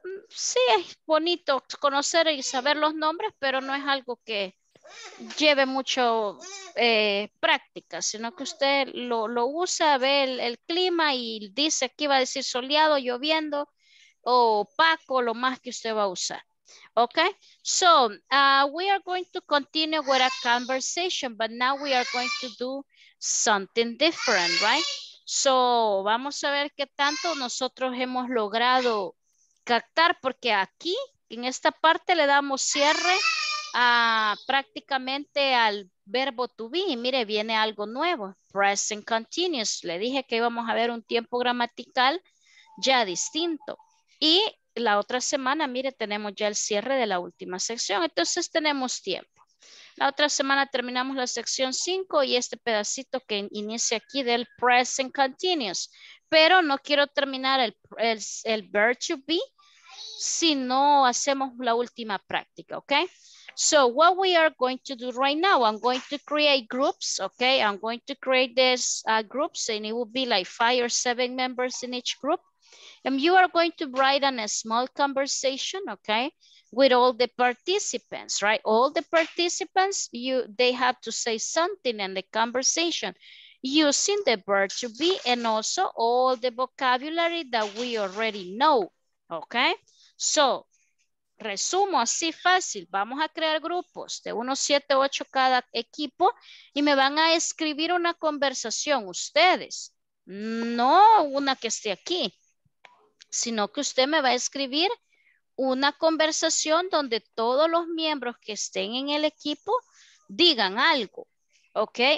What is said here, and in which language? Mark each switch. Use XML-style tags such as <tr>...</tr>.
<es>sí, es bonito conocer y saber los nombres, pero no es algo que lleve mucho práctica, sino que usted lo usa, ve el clima y dice aquí va a decir soleado, lloviendo o opaco, lo más que usted va a usar.</es> <en>Ok, so we are going to continue with a conversation, but now we are going to do something different, right?</en> <es>So vamos a ver qué tanto nosotros hemos logrado captar, porque aquí en esta parte le damos cierre a prácticamente al verbo to be. Mire, viene algo nuevo, present continuous. Le dije que íbamos a ver un tiempo gramatical ya distinto, y la otra semana, mire, tenemos ya el cierre de la última sección, entonces tenemos tiempo. La otra semana terminamos la sección 5 y este pedacito que inicia aquí del present continuous, pero no quiero terminar el verb to be si no hacemos la última práctica, ¿ok?</es> <en>So what we are going to do right now, I'm going to create groups, ¿ok? I'm going to create these groups and it will be like 5 or 7 members in each group. And you are going to write on a small conversation, okay, with all the participants, right? All the participants, they have to say something in the conversation using the verb to be and also all the vocabulary that we already know, okay?</en> <es>So, resumo así fácil. Vamos a crear grupos de unos 7 u 8 cada equipo y me van a escribir una conversación ustedes. No una que esté aquí, sino que usted me va a escribir una conversación donde todos los miembros que estén en el equipo digan algo, ¿ok?</es>